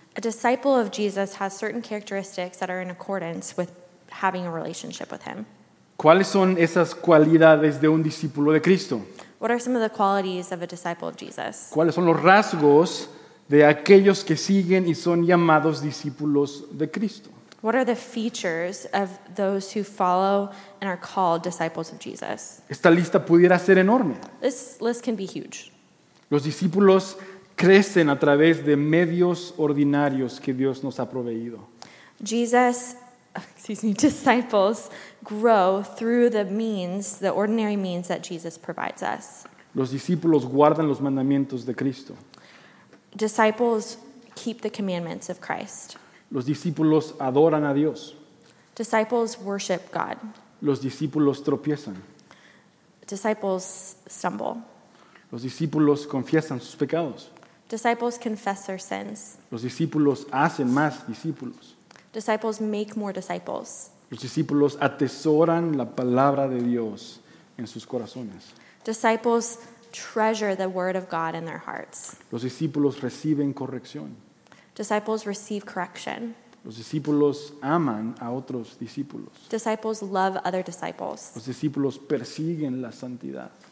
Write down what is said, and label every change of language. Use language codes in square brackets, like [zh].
[en] A disciple of Jesus has certain characteristics that are in accordance with having a relationship with him. [es] ¿Cuáles son esas cualidades de un discípulo de Cristo? [en] What are some of the qualities of a disciple of Jesus? [es] ¿Cuáles son los rasgos de aquellos que siguen y son llamados discípulos de Cristo? [en] What are the features of those who follow and are called disciples of Jesus? [es] Esta lista pudiera ser enorme. [en] This list can be huge. [es] Los discípulos crecen a través de medios ordinarios que Dios nos ha proveído. [en] Disciples grow through the means, the ordinary means that Jesus provides us. [es] Los discípulos guardan los mandamientos de Cristo. [en] Disciples keep the commandments of Christ. [es] Los discípulos adoran a Dios. [en] Disciples worship God. [es] Los discípulos tropiezan. [en] Disciples stumble. [es] Los discípulos confiesan sus pecados. [en] Disciples confess their sins. [es] Los discípulos hacen más discípulos. [en] Disciples make more disciples. [es] Los discípulos atesoran la palabra de Dios en sus corazones. [en] Disciples treasure the word of God in their hearts. [es] Los discípulos reciben corrección. [en] Disciples receive correction. [es] Los discípulos aman a otros discípulos. [en] Disciples love other disciples. [es] Los discípulos persiguen la santidad.